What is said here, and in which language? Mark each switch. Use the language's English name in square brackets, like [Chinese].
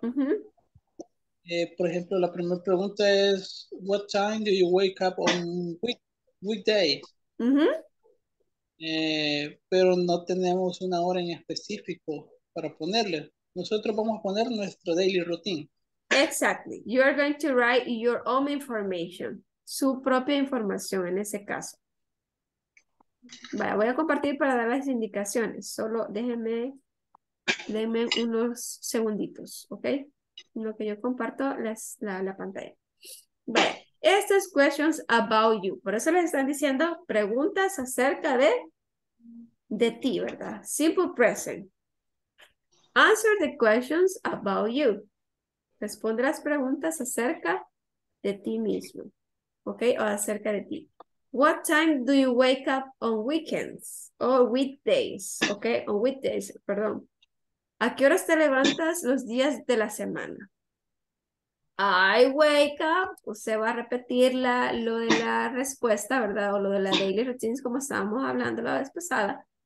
[Spanish] uh-huh. Por ejemplo, la primera pregunta es, [English] what time do you wake up on weekday? Uh-huh. [Spanish] Pero no tenemos una hora en específico para ponerle. Nosotros vamos a poner nuestro daily routine. [English] Exactly. You are going to write your own information. [Spanish] Su propia información en ese caso. Vaya, voy a compartir para dar las indicaciones. Solo déjenme unos segunditos, ¿ok? Lo que yo comparto es la pantalla. Vaya, estas [English] questions about you. [Spanish] Por eso les están diciendo preguntas acerca de ti, ¿verdad? [English] Simple present. Answer the questions about you. [Spanish] Responde las preguntas acerca de ti mismo, ¿ok? O acerca de ti. [English] What time do you wake up on weekends or weekdays? Okay, on weekdays, perdón. [Spanish] ¿A qué horas te levantas los días de la semana? [English] I wake up. [Spanish] Usted va a repetir lo de la respuesta, ¿verdad? O lo de la daily routines, como estábamos hablando la vez pasada.